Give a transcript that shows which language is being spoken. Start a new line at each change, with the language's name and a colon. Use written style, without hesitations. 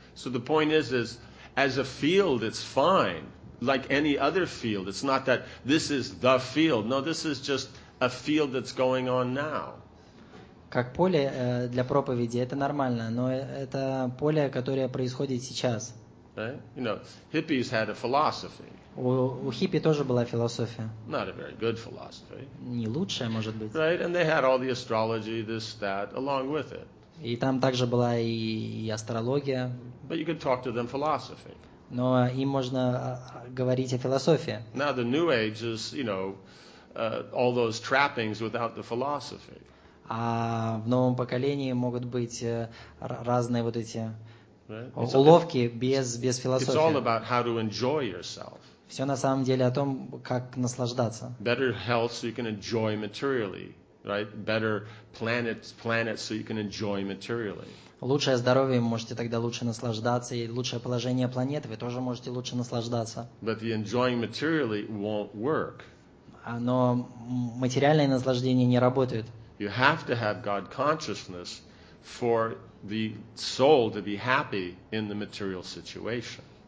English: So the point is as a field, it's fine. Like any other field, it's not that this is the field. No, this is just a field that's going on now.
Russian: Как поле для проповеди это нормально, но это поле, которое происходит сейчас.
English: Right? You know, hippies had a philosophy.
Russian: У хиппи тоже была философия.
English: Not a very good philosophy.
Russian: Не лучшая, может быть.
English: Right, and they had all the astrology, this, that, along with it.
Russian: И там также была и астрология.
English: But you could talk to them philosophy.
Russian: Но им можно говорить о философии.
English: Now the New Age is, you know, all those trappings without the philosophy.
Russian: А в новом поколении могут быть разные вот эти
English: right?
Russian: уловки без философии.
English: It's all about how to enjoy yourself.
Russian: Все на самом деле о том, как наслаждаться.
English: Better health so you can enjoy materially, right? Better planets so you can enjoy materially.
Russian: Лучшее здоровье, можете тогда лучше наслаждаться, и лучшее положение планеты, вы тоже можете лучше наслаждаться.
English: But the enjoying materially won't work.
Russian: Но материальное наслаждение не работает.
English: You have to have God consciousness for the soul to be happy in the material situation.